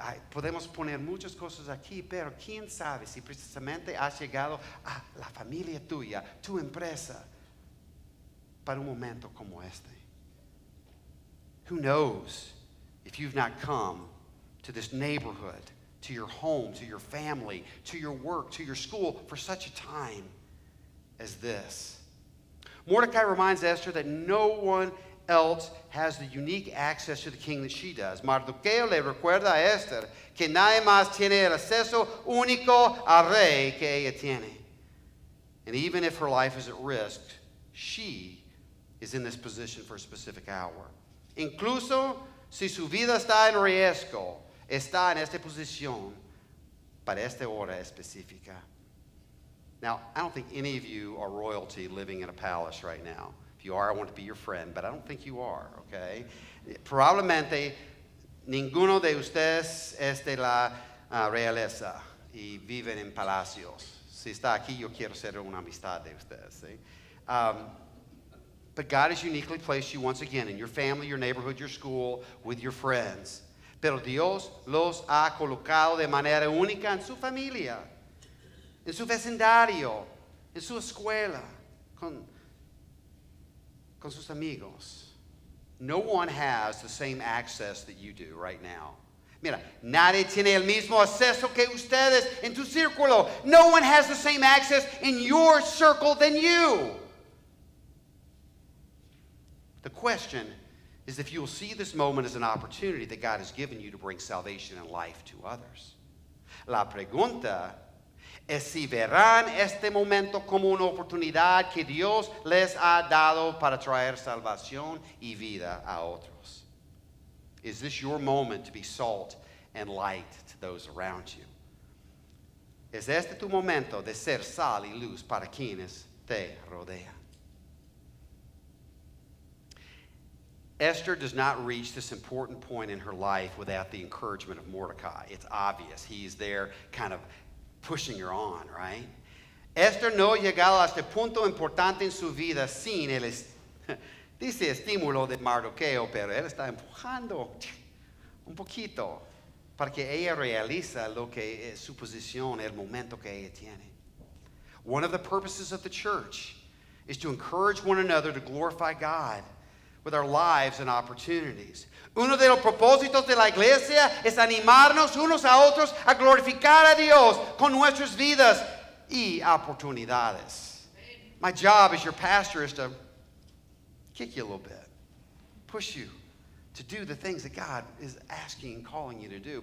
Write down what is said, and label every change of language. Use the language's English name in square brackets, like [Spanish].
[Spanish] Podemos poner muchas cosas aquí, pero quién sabe si precisamente has llegado a la familia tuya, tu empresa, para un momento como este. [English] Who knows if you've not come to this neighborhood, to your home, to your family, to your work, to your school for such a time as this. Mordecai reminds Esther that no one else has the unique access to the king that she does. [Spanish] Mardoqueo le recuerda a Esther que nadie más tiene el acceso único al rey que ella tiene. [English] And even if her life is at risk, she is in this position for a specific hour. [Spanish] Incluso si su vida está en riesgo, está en esta posición para esta hora específica. [English] Now, I don't think any of you are royalty living in a palace right now. If you are, I want to be your friend, but I don't think you are, okay? [Spanish] Probablemente ninguno de ustedes es de la realeza y viven en palacios. Si está aquí, yo quiero ser una amistad de ustedes, ¿sí? [English] But God has uniquely placed you once again in your family, your neighborhood, your school, with your friends. [Spanish] Pero Dios los ha colocado de manera única en su familia, en su vecindario, en su escuela, con sus amigos. [English] No one has the same access that you do right now. [Spanish] Mira, nadie tiene el mismo acceso que ustedes en tu círculo. [English] No one has the same access in your circle than you. The question is if you'll see this moment as an opportunity that God has given you to bring salvation and life to others. [Spanish] La pregunta es si verán este momento como una oportunidad que Dios les ha dado para traer salvación y vida a otros. [English] Is this your moment to be salt and light to those around you? [Spanish] ¿Es este tu momento de ser sal y luz para quienes te rodean? [English] Esther does not reach this important point in her life without the encouragement of Mordecai. It's obvious. He's there kind of pushing her on, right? [Spanish] Esther no llegaba a este punto importante en su vida sin el estímulo de Mardoqueo, pero él está empujando un poquito para que ella realice lo que es su posición, el momento que ella tiene. [English] One of the purposes of the church is to encourage one another to glorify God with our lives and opportunities. [Spanish] Uno de los propósitos de la iglesia es animarnos unos a otros a glorificar a Dios con nuestras vidas y oportunidades. [English] My job as your pastor is to kick you a little bit, push you to do the things that God is asking and calling you to do.